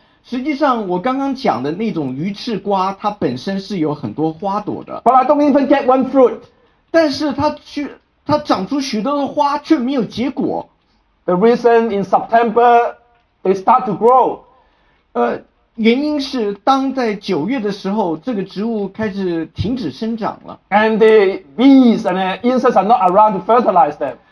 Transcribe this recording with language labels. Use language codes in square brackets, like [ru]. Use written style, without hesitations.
[zh] 实际上我刚刚讲的那种鱼翅瓜它本身是有很多花朵的。 [en] But I don't even get one fruit. [zh] 但是它长出许多的花却没有结果。 [en] The reason in September, they start to grow. [zh] 原因是当在九月的时候这个植物开始停止生长了。 [en] And the bees and the insects are not around to fertilize them.